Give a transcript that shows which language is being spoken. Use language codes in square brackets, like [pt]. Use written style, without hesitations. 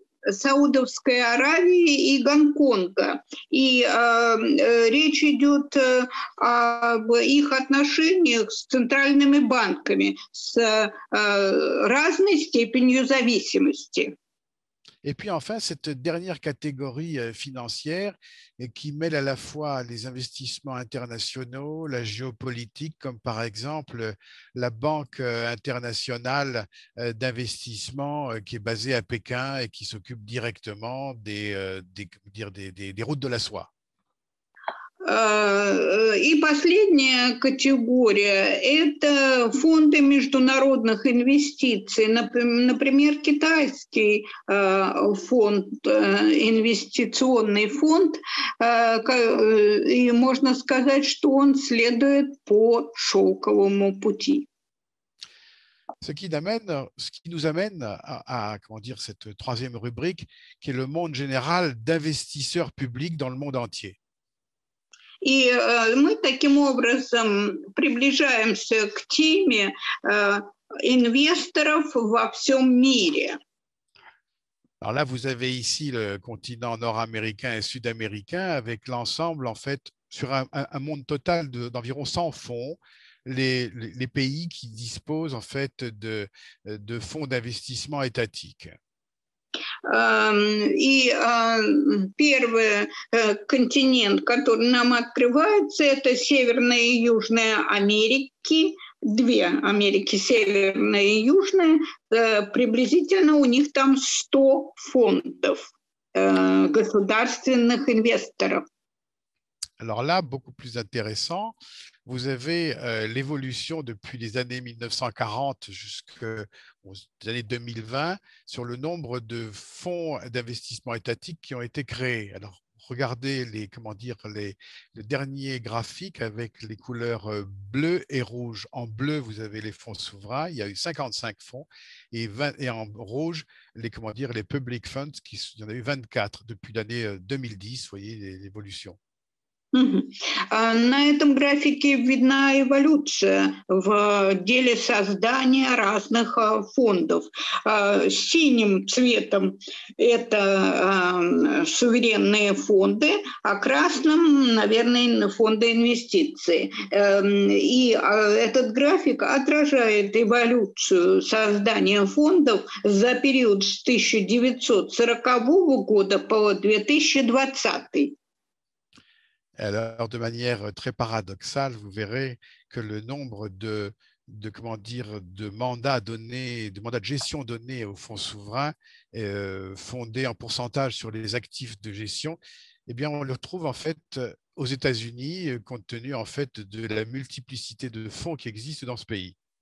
[ru] Саудовская Аравия и Гонконга. И речь идет об их отношениях с центральными банками, с разной степенью зависимости. [fr] Et puis enfin, cette dernière catégorie financière qui mêle à la fois les investissements internationaux, la géopolitique, comme par exemple la Banque internationale d'investissement qui est basée à Pékin et qui s'occupe directement des routes de la soie. [ru] И последняя категория – это фонды международных инвестиций, например, китайский инвестиционный фонд, и можно сказать, что он следует по шелковому пути. [fr] Ce qui nous amène à comment dire, cette troisième рубрике, qui est le monde général d'investisseurs publics dans le monde entier. [ru] И мы таким образом приближаемся к теме инвесторов во всем мире. [fr] Alors là, vous avez ici le continent nord-américain et sud-américain avec l'ensemble, en fait, sur un monde total d'environ 100 fonds, les pays qui disposent, en fait, de fonds d'investissement étatiques. [ru] И первый континент, который нам открывается, это Северная и Южная Америки, две Америки, Северная и Южная, приблизительно у них там 100 фондов государственных инвесторов. [fr] Alors là, beaucoup plus intéressant, vous avez l'évolution depuis les années 1940 jusqu'aux années 2020 sur le nombre de fonds d'investissement étatique qui ont été créés. Alors, regardez le dernier graphique avec les couleurs bleues et rouges. En bleu, vous avez les fonds souverains, il y a eu 55 fonds, et en rouge, les [en] public funds, [fr] il y en a eu 24 depuis l'année 2010, vous voyez l'évolution. [ru] На этом графике видна эволюция в деле создания разных фондов. Синим цветом это суверенные фонды, а красным, наверное, фонды инвестиций. И этот график отражает эволюцию создания фондов за период с 1940 года по 2020. [fr] Alors, de manière très paradoxale, vous verrez que le nombre comment dire, de mandats donnés, de mandats de gestion donnés aux fonds souverains, fondés en pourcentage sur les actifs de gestion, eh bien, on le trouve en fait aux États-Unis, compte tenu en fait de la multiplicité de fonds qui existent dans ce pays.